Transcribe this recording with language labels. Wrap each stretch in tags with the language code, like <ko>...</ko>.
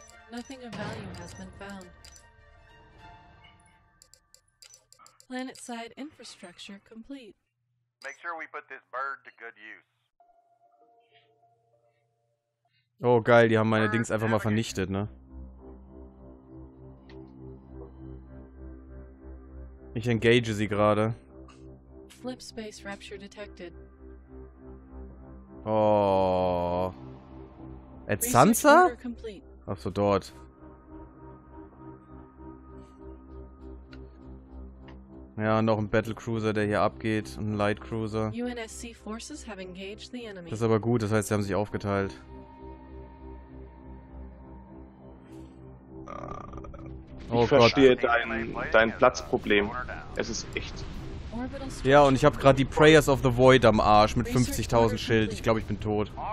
<en>Nothing of value has been found. Planet side infrastructure complete. Make sure we put this bird to good use.</en> <de>Oh geil, die haben meine Dings einfach mal vernichtet, ne? Ich engage sie gerade.</de> <en>Flip space rupture detected.</en> <de>Oh. At Sansa? Ach so, dort. Ja, noch ein Battlecruiser, der hier abgeht. Ein Lightcruiser.</de> <en>UNSC forces have engaged the enemy.</en> <de>Das ist aber gut, das heißt, sie haben sich aufgeteilt. Ich verstehe dein Platzproblem. Es ist echt. Ja, und ich habe gerade die Prayers of the Void am Arsch mit 50.000 Schild. Ich glaube, ich bin tot.</de>